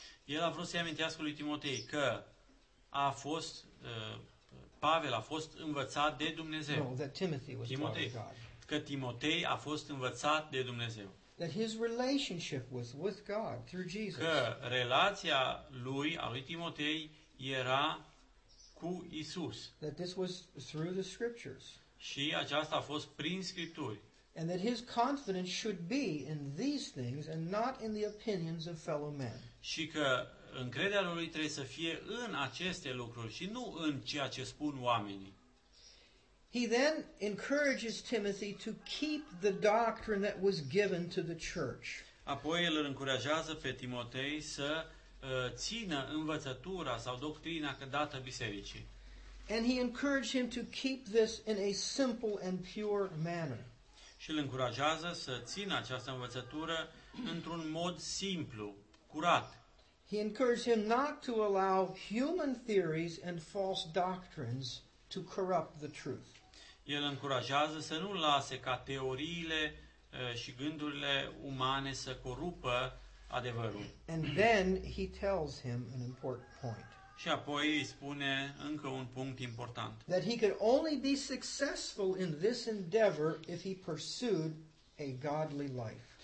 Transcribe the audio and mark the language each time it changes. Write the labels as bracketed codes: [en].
[ro] El a vrut să-i amintească lui Timotei că a fost Pavel a fost învățat de Dumnezeu. [en] No, that Timothy was taught of God. [ro] Că Timotei a fost învățat de Dumnezeu. [en] That his relationship was with God through Jesus. [ro] Că relația lui, a lui Timotei, era cu Isus. [en] That this was through the scriptures. [ro] Și aceasta a fost prin scripturi. [en] And that his confidence should be in these things and not in the opinions of fellow men. [ro] Și că încrederea lui trebuie să fie în aceste lucruri și nu în ceea ce spun oamenii. [en] He then encourages Timothy to keep the doctrine that was given to the church. [ro] Apoi el îl încurajează pe Timotei să țină învățătura sau doctrina dată bisericii. [en] And he encouraged him to keep this in a simple and pure manner. [ro] Și îl încurajează să țină această învățătură într-un mod simplu, curat. [en] He encouraged him not to allow human theories and false doctrines to corrupt the truth. [ro] El încurajează să nu lase ca teoriile și gândurile umane să corupă adevărul. [en] And then he tells him an important point. [ro] Și apoi îi spune încă un punct important. [en] That he could only be successful in this endeavor if he pursued a godly life.